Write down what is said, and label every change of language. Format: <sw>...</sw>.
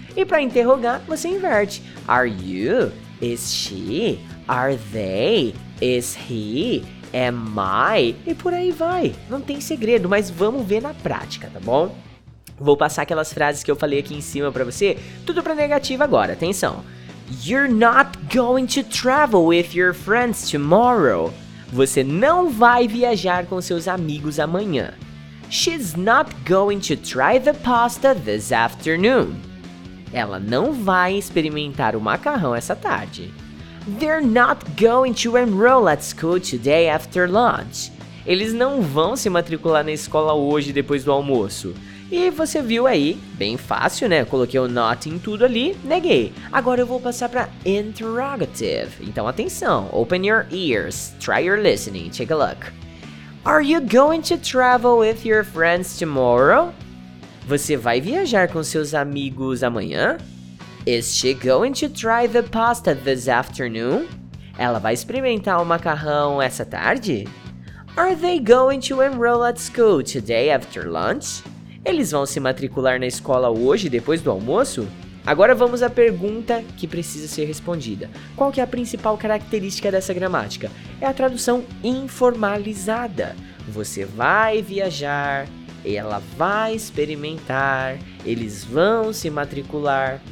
<pt>E para interrogar, você inverte.</pt> <en>Are you? Is she? Are they? Is he? Am I?</en> <pt>E por aí vai. Não tem segredo, mas vamos ver na prática, tá bom? Vou passar aquelas frases que eu falei aqui em cima pra você, tudo pra negativa agora, atenção.</pt> <en>You're not going to travel with your friends tomorrow.</en> <pt>Você não vai viajar com seus amigos amanhã.</pt> <en>She's not going to try the pasta this afternoon.</en> <pt>Ela não vai experimentar o macarrão essa tarde.</pt> <en>They're not going to enroll at school today after lunch.</en> <pt>Eles não vão se matricular na escola hoje depois do almoço. E você viu aí, bem fácil, né? Coloquei o not em tudo ali, neguei. Agora eu vou passar pra interrogative. Então atenção,</pt> <en>open your ears, try your listening, take a look. Are you going to travel with your friends tomorrow?</en> <pt>Você vai viajar com seus amigos amanhã?</pt> <en>Is she going to try the pasta this afternoon?</en> <pt>Ela vai experimentar o macarrão essa tarde?</pt> <en>Are they going to enroll at school today after lunch?</en> <pt>Eles vão se matricular na escola hoje, depois do almoço? Agora vamos à pergunta que precisa ser respondida. Qual que é a principal característica dessa gramática? É a tradução informalizada. Você vai viajar, ela vai experimentar, eles vão se matricular.</pt>